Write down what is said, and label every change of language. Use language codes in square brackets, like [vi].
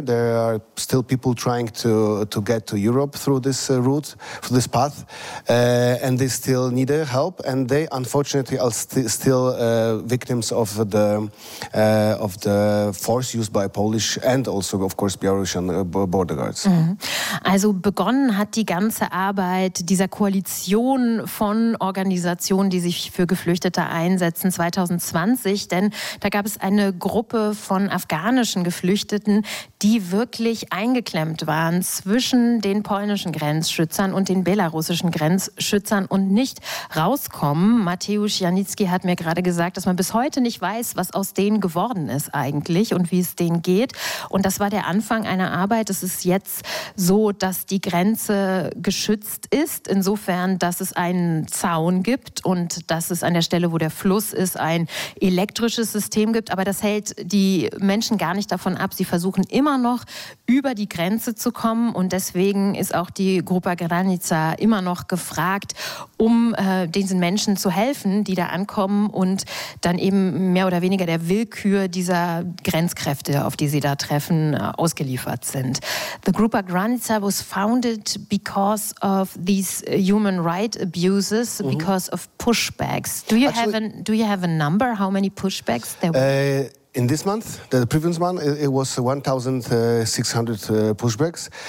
[en] There are still people trying to get to Europe through this route, through this path, and this. Still need help, and they unfortunately are still victims of the force used by Polish and also of course Belarusian border guards. Mm-hmm. [de] Also begonnen hat die ganze Arbeit dieser Koalition von Organisationen, die sich für Geflüchtete einsetzen, 2020, denn da gab es eine Gruppe von afghanischen Geflüchteten, die wirklich eingeklemmt waren zwischen den polnischen Grenzschützern und den belarussischen Grenzschützern und nicht rauskommen. Mateusz Janicki hat mir gerade gesagt, dass man bis heute nicht weiß, was aus denen geworden ist eigentlich und wie es denen geht. Und das war der Anfang einer Arbeit. Es ist jetzt so, dass die Grenze geschützt ist, insofern, dass es einen Zaun gibt und dass es an der Stelle, wo der Fluss ist, ein elektrisches System gibt. Aber das hält die Menschen gar nicht davon ab. Sie versuchen immer noch über die Grenze zu kommen. Und deswegen ist auch die Grupa Granica immer noch gefragt, um diesen Menschen zu helfen, die da ankommen und dann eben mehr oder weniger der Willkür dieser Grenzkräfte, auf die sie da treffen, ausgeliefert sind. [en] The Grupa Granica was founded because of these human rights abuses, mm-hmm. because of pushbacks. Do you have a number? How many pushbacks there were? In this month, the previous one, it was 1,600 pushbacks.